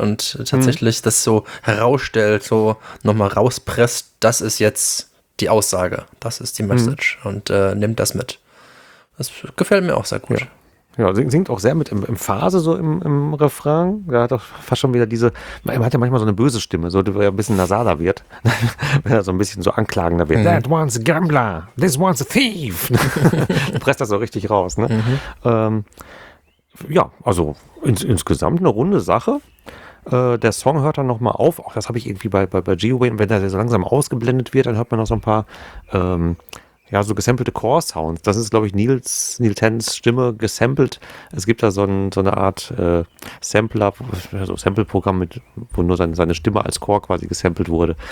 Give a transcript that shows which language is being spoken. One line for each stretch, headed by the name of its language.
German: Und tatsächlich das so herausstellt, so nochmal rauspresst, das ist jetzt die Aussage, das ist die Message und nimmt das mit. Das gefällt mir auch sehr gut. Ja, singt auch sehr mit Emphase so im Refrain. Da hat auch fast schon wieder diese, man hat ja manchmal so eine böse Stimme, so die ein bisschen nasaler wird, wenn er so ein bisschen so anklagender wird.
English: That one's a gambler, this one's a thief.
German: Du presst das so richtig raus, ne? Insgesamt eine runde Sache. Der Song hört dann nochmal auf, auch das habe ich irgendwie bei G-Wayne, wenn er so langsam ausgeblendet wird, dann hört man noch so ein paar so gesampelte Chor-Sounds. Das ist, glaube ich, Neil Tennants Stimme gesampelt. Es gibt da so eine Art Sampler, so Sample-Programm, wo nur seine Stimme als Chor quasi gesampelt wurde.